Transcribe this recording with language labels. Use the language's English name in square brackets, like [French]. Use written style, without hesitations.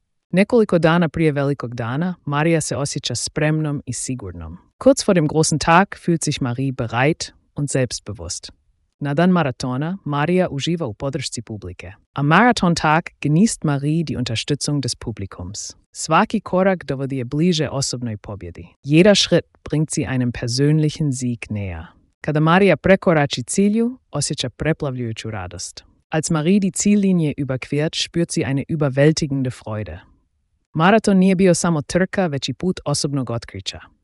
[Croatian] Nekoliko dana prije velikog dana, Maria se osjeća spremnom i sigurnom. [German] Kurz vor dem großen Tag fühlt sich Marie bereit und selbstbewusst. [Croatian] Na dan maratona, Maria uživa u podršci publike. [German] Am Marathontag genießt Marie die Unterstützung des Publikums. [Croatian] Svaki korak dovodi je bliže osobnoj pobjedi. [German] Jeder Schritt bringt sie einem persönlichen Sieg näher. [Croatian] Kada Maria prekorači cilju, osjeća preplavljujuću radost. [German] Als Marie die Ziellinie überquert, spürt sie eine überwältigende Freude. [Croatian] Marathon nije bio samo trka, već i put osobnog otkrića.